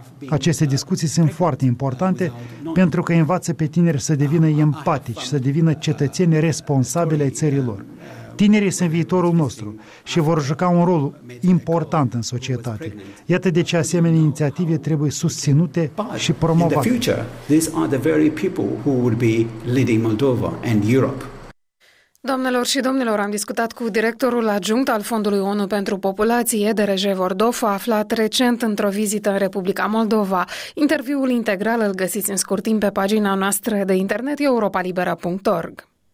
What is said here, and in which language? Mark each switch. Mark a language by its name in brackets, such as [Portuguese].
[Romanian] Aceste discuții sunt foarte importante pentru că învață pe tineri să devină empatici, să devină cetățeni responsabili ai țării lor. Tinerii sunt viitorul nostru și vor juca un rol important în societate. Iată de ce asemenea inițiative trebuie susținute și promovate. [English] In the future, these are the very people who would be leading Moldova and Europe. [Romanian] Domnilor și domnilor, am discutat cu directorul adjunct al Fondului ONU pentru Populație, Dereje Vordofa, aflat recent într-o vizită în Republica Moldova. Interviul integral îl găsiți în scurt timp pe pagina noastră de internet europalibera.org.